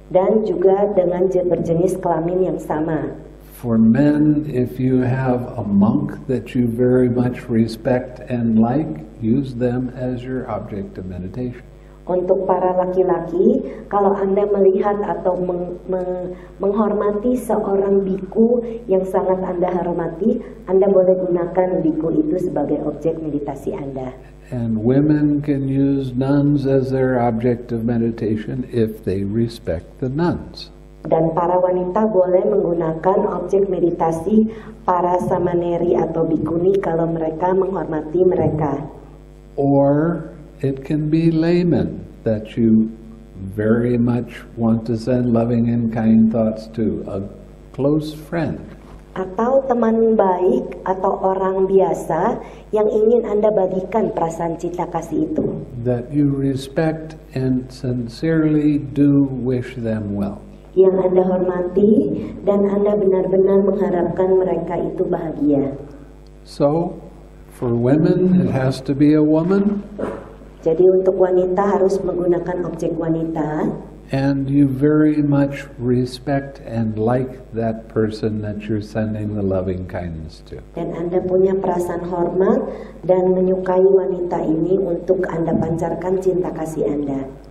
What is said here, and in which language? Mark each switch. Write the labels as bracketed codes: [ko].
[id] Dan juga dengan berjenis kelamin yang sama. [en] For men, if you have a monk that you very much respect and like, use them as your object of meditation. [id] Untuk para laki-laki, kalau Anda melihat atau menghormati seorang biku yang sangat Anda hormati, Anda boleh gunakan biku itu sebagai objek meditasi Anda. [en] And women can use nuns as their object of meditation if they respect the nuns. [id] Dan para wanita boleh menggunakan objek meditasi para samaneri atau bikuni kalau mereka menghormati mereka. [en] Or it can be laymen that you very much want to send loving and kind thoughts to, a close friend. [id] Atau teman baik atau orang biasa yang ingin Anda bagikan perasaan cinta kasih itu. [en] That you respect and sincerely do wish them well. [id] Yang Anda hormati dan Anda benar-benar mengharapkan mereka itu bahagia. [en] So, for women, it has to be a woman. [id] Jadi untuk wanita harus menggunakan objek wanita. [en] And you very much respect and like that person that you're sending the loving kindness to. [id] Dan Anda punya perasaan hormat dan menyukai wanita ini untuk Anda pancarkan cinta kasih Anda.